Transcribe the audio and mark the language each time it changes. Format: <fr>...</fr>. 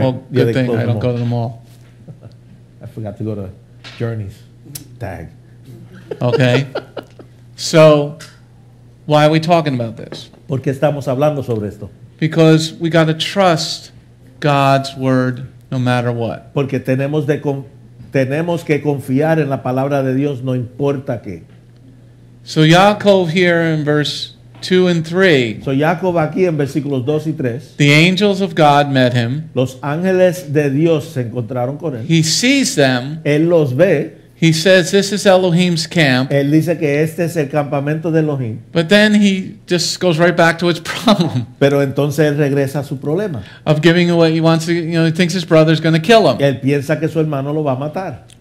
<en>Well, good thing I don't go to the mall. I forgot to go to Journeys. Dag. Okay. So, why are we talking about this?</en> <es>¿Por qué estamos hablando sobre esto?</es> <en>Because we got to trust God's word no matter what.</en> <es>Porque tenemos que confiar en la palabra de Dios no importa qué.</es> <en>So, Yaakov here in verse 2 and 3.</en> <es>So Jacob aquí en versículos 2 y 3.</es> <en>The angels of God met him.</en> <es>Los ángeles de Dios se encontraron con él.</es> <en>He sees them.</en> <es>Él los ve.</es> <en>He says, this is Elohim's camp.</en> <es>Él dice que este es el campamento de Elohim.</es> <en>But then he just goes right back to his problem.</en> <es>Pero entonces él regresa a su problema.</es> <en>Of giving away, he wants to, you know, he thinks his brother's going to kill him.</en> <es>Él piensa que su hermano lo va a matar.</es>